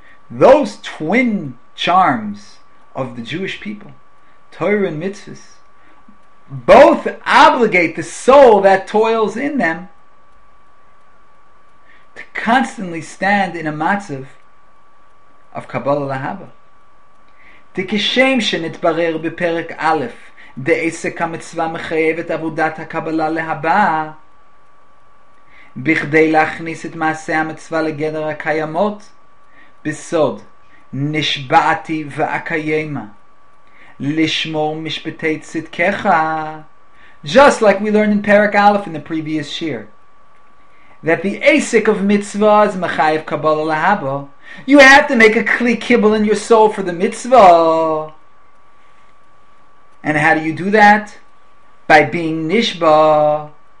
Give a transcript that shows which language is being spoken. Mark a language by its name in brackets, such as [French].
[English] Those twin charms of the Jewish people, Torah and mitzvahs, both obligate the soul that toils in them to constantly stand in a matzav of kabbalah lehaba. [Hebrew] Tikishem shenitbarer beperek aleph דעסק המצווה מחייב את עבודת הקבלה להבא בכדי להכניס את מעשה המצווה לגדר הקיימות בסוד נשבעתי ואקיימה לשמור משפטי צדקך. [English] Just like we learned in Perek Aleph in the previous shir, that the Asik of mitzvahs [Hebrew] מחייב קבלה להבא, [English] you have to make a kli kibble in your soul for the mitzvah. And how do you do that? By being nishba,